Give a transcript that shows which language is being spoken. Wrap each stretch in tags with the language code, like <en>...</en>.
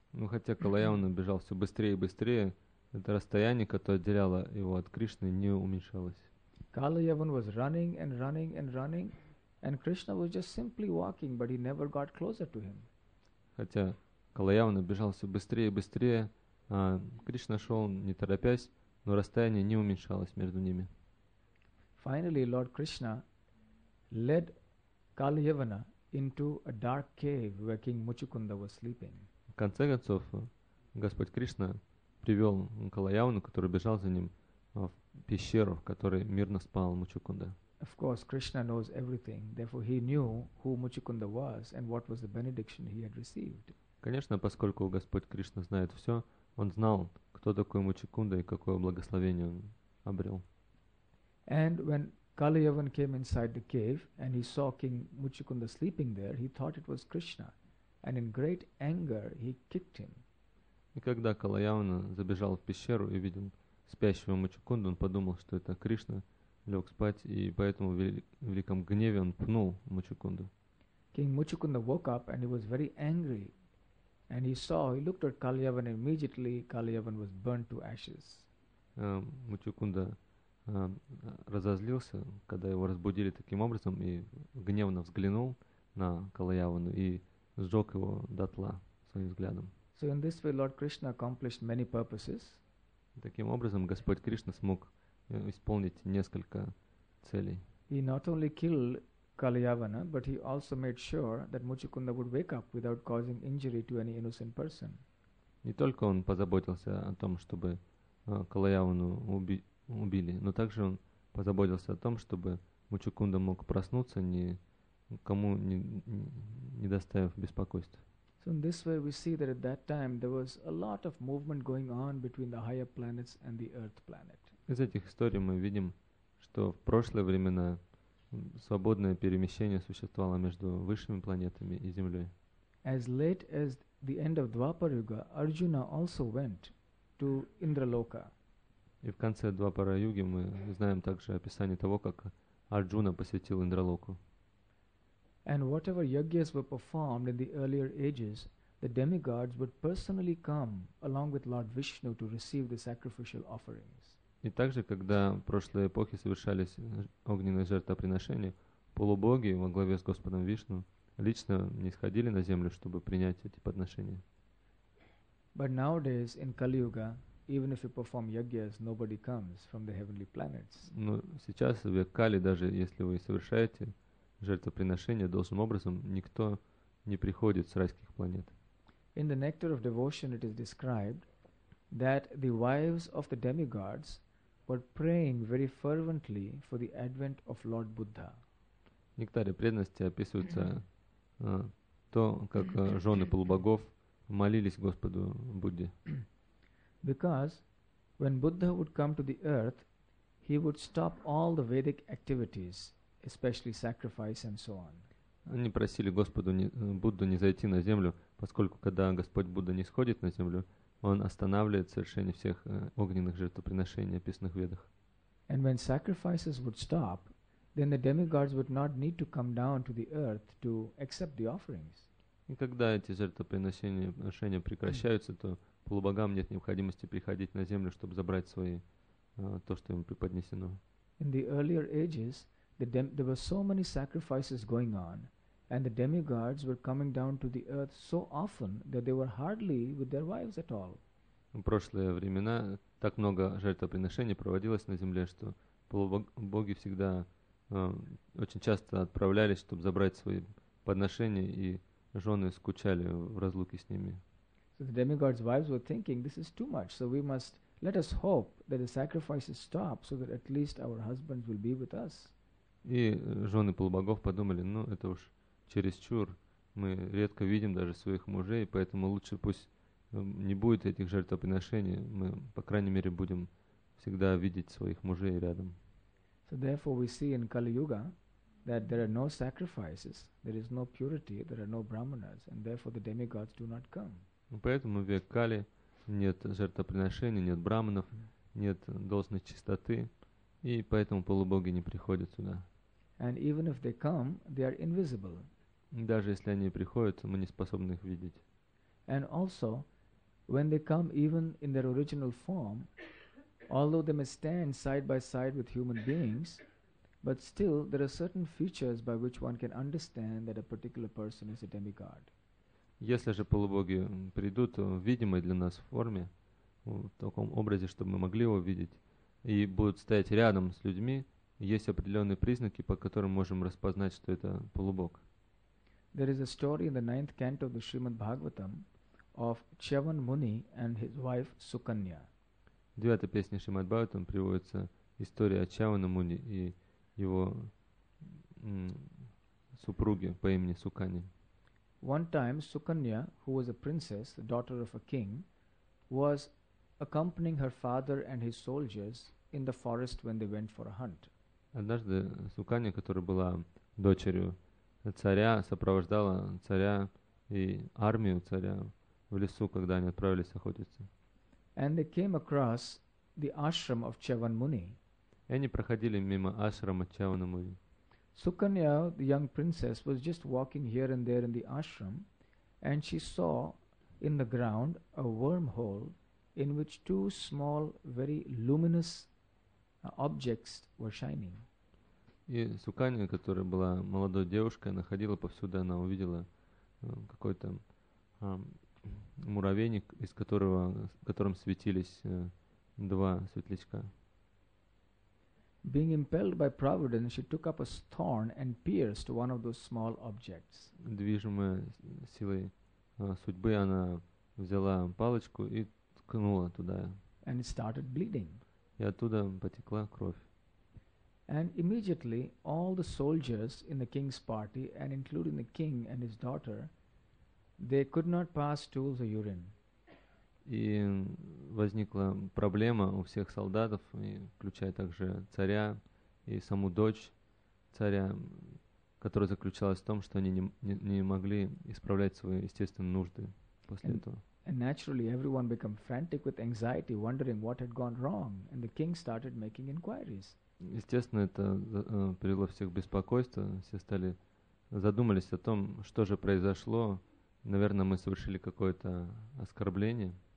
<ru>Ну, хотя Калаяван бежал все быстрее и быстрее, это расстояние, которое отделяло его от Кришны, не уменьшалось.</ru> <en>Kaliyavan was running and running and running, and Krishna was just simply walking, but he never got closer to him.</en> <ru>Хотя Калаяван бежал все быстрее и быстрее, Кришна шел не торопясь, но расстояние не уменьшалось между ними.</ru> <en>Finally, Lord Krishna led Kaliyavana into a dark cave where King Muchukunda was sleeping.</en> <ru>В конце концов, Господь Кришна привел Калаяну, который бежал за ним, в пещеру, в которой мирно спал Мучукунда.</ru> <en>Of course, Krishna knows everything. Therefore, he knew who Muchukunda was and what was the benediction he had received.</en> <ru>Конечно, поскольку Господь Кришна знает все, он знал, кто такой Мучукунда и какое благословение он обрел.</ru> <en>And when Kaliyavan came inside the cave and he saw King Muchukunda sleeping there, he thought it was Krishna. And in great anger, he kicked him.</en> <ru>И когда Калаяна забежал в пещеру и видел спящего Мучукунду, он подумал, что это Кришна, лег спать, и поэтому в великом гневе он пнул Мучукунду.</ru> <en>King Muchukunda woke up and he was very angry. And he looked at Kaliyavan immediately, Kaliyavan was burnt to ashes.</en> <ru>Мучукунда разозлился, когда его разбудили таким образом, и гневно взглянул на Калаяну и сжег его дотла своим взглядом.</ru> <en>So in this way, Lord Krishna accomplished many purposes.</en> <ru>Таким образом, Господь Кришна смог исполнить несколько целей.</ru> <en>He not only killed Kalyavana, but he also made sure that Muchikunda would wake up without causing injury to any innocent person.</en> <ru>Не только он позаботился о том, чтобы Калаявану убили, но также он позаботился о том, чтобы Мучикунда мог проснуться, никому не доставив беспокойства.</ru> <en>So in this way we see that at that time there was a lot of movement going on between the higher planets and the Earth planet.</en> <ru>Из этих историй мы видим, что в прошлые времена свободное перемещение существовало между высшими планетами и Землей.</ru> <en>As late as the end of Dwapara Yuga, Arjuna also went to Indraloka.</en> <ru>И в конце Двапара Юги мы знаем также описание того, как Арджуна посетил Индралоку.</ru> <en>And whatever yagyas were performed in the earlier ages, the demigods would personally come along with Lord Vishnu to receive the sacrificial offerings.</en> <ru>И также, когда в прошлой эпохе совершались огненные жертвоприношения, полубоги во главе с Господом Вишну лично не сходили на землю, чтобы принять эти подношения.</ru> <en>But nowadays in Kali Yuga, even if you perform yagyas, nobody comes from the heavenly planets.</en> <ru>Но сейчас в Кали, даже если вы совершаете жертвоприношение должным образом, никто не приходит с райских планет.</ru> <en>In the Nectar of Devotion it is described that the wives of the demigods were praying very fervently for the advent of Lord Buddha.</en> <ru>В Нектаре преданности описывается то, как жены полубогов молились Господу Будде.</ru> <en>Because when Buddha would come to the earth, he would stop all the Vedic activities, especially sacrifice and so on.</en> <ru>Они просили Господу Будду не зайти на землю, поскольку когда Господь Будда не сходит на землю, он останавливает совершение всех огненных жертвоприношений, описанных в Ведах.</ru> <en>And when sacrifices would stop, then the demigods would not need to come down to the earth to accept the offerings.</en> <ru>И когда эти жертвоприношения прекращаются, то полубогам нет необходимости приходить на землю, чтобы забрать свои то, что им преподнесено.</ru> <en>In the earlier ages, there were so many sacrifices going on, and the demigods were coming down to the earth so often that they were hardly with their wives at all.</en> <ru>В прошлые времена так много жертвоприношений проводилось на земле, что полубоги всегда очень часто отправлялись, чтобы забрать свои подношения, и жены скучали в разлуке с ними.</ru> <en>So the demigods' wives were thinking, this is too much, so we must let us hope that the sacrifices stop so that at least our husbands will be with us.</en> <ru>И жены полубогов подумали, ну это уж чересчур, мы редко видим даже своих мужей, поэтому лучше пусть не будет этих жертвоприношений, мы, по крайней мере, будем всегда видеть своих мужей рядом.</ru> <en>So therefore we see in Kali Yuga that there are no sacrifices, there is no purity, there are no brahmanas, and therefore the demigods do not come.</en> <ru>Поэтому в век Кали нет жертвоприношений, нет брахманов, нет должной чистоты, и поэтому полубоги не приходят сюда.</ru> <en>And even if they come, they are invisible.</en> <ru>Даже если они приходят, мы не способны их видеть.</ru> <en>And also, when they come even in their original form, although they may stand side by side with human beings, but still there are certain features by which one can understand that a particular person is a demigod.</en> <ru>Если же полубоги придут в видимой для нас форме, в таком образе, чтобы мы могли его видеть, и будут стоять рядом с людьми, есть определенные признаки, по которым можем распознать, что это полубог.</ru> <en>There is a story in the ninth canto of the Srimad Bhagavatam of Chavan Muni and his wife Sukanya.</en> <ru>В девятой песне Шримад Бхагаватам приводится история о Чавана Муни и его супруге по имени Суканья.</ru> <en>One time Sukanya, who was a princess, the daughter of a king, was accompanying her father and his soldiers in the forest when they went for a hunt.</en> <ru>Однажды Суканья, которая была дочерью царя, сопровождала царя и армию царя в лесу, когда они отправились охотиться.</ru> <en>And they came across the ashram of Chavan Muni.</en> <ru>И они проходили мимо ашрама Чавана Муни.</ru> <en>Sukanya, the young princess, was just walking here and there in the ashram, and she saw in the ground a wormhole in which two small, very luminous objects were shining.</en> <ru>И Суканья, которая была молодой девушкой, она ходила повсюду, она увидела какой-то муравейник, в котором светились два светлячка.</ru> <en>Being impelled by providence, she took up a thorn and pierced one of those small objects.</en> <ru>Движимая силой судьбы, она взяла палочку и ткнула туда.</ru> <en>And it started bleeding.</en> <ru>И оттуда потекла кровь.</ru> <en>And immediately all the soldiers in the king's party, and including the king and his daughter, they could not pass stools or urine.</en> <ru>И возникла проблема у всех солдатов, включая также царя и саму дочь царя, которая заключалась в том, что они не могли исправлять свои естественные нужды после этого.</ru> <en>And naturally everyone became frantic with anxiety, wondering what had gone wrong, and the king started making inquiries.</en> <ru>Естественно, это привело всех в беспокойство. Все стали задумались о том, что же произошло. Наверное, мы совершили какое-то оскорбление.</ru>